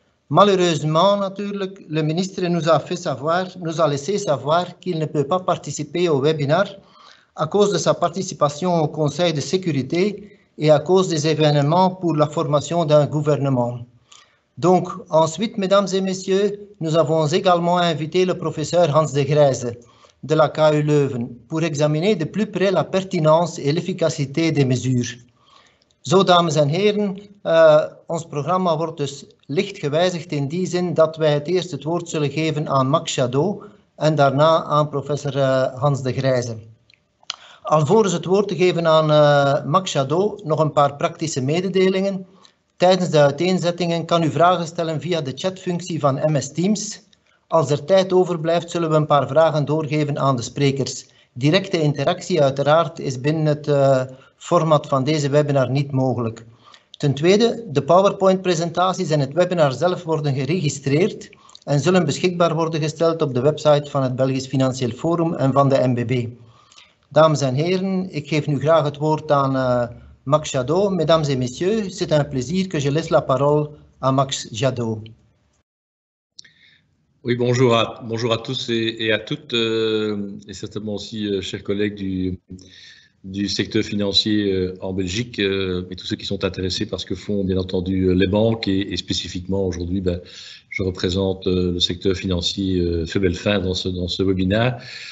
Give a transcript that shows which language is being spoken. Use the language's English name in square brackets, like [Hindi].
[French] Malheureusement, naturellement, le ministre nous a laissé savoir qu'il ne peut pas participer au webinaire à cause de sa participation au Conseil de sécurité et à cause des événements pour la formation d'un gouvernement. Donc, ensuite, mesdames et messieurs, nous avons également invité le professeur Hans de Grijze de la KU Leuven pour examiner de plus près la pertinence et l'efficacité des mesures. [Dutch] Zo, dames en heren, ons programma wordt dus licht gewijzigd in die zin dat wij het eerst het woord zullen geven aan Max Chadeau en daarna aan professor Hans de Grijze. Alvorens het woord te geven aan Max Chadeau, nog een paar praktische mededelingen. Tijdens de uiteenzettingen kan u vragen stellen via de chatfunctie van MS Teams. Als er tijd overblijft, zullen we een paar vragen doorgeven aan de sprekers. Directe interactie uiteraard is binnen het format van deze webinar niet mogelijk. Ten tweede, de PowerPoint-presentaties en het webinar zelf worden geregistreerd en zullen beschikbaar worden gesteld op de website van het Belgisch Financieel Forum en van de MBB. Dames en heren, ik geef nu graag het woord aan Max Chadeau. [French] Mesdames et messieurs, c'est un plaisir que je laisse la parole à Max Chadeau. Oui, bonjour à tous et à toutes, et certainement aussi, chers collègues du secteur financier en Belgique, et tous ceux qui sont intéressés par ce que font, bien entendu, les banques, et spécifiquement aujourd'hui, ben, je représente le secteur financier faible fin dans ce webinaire.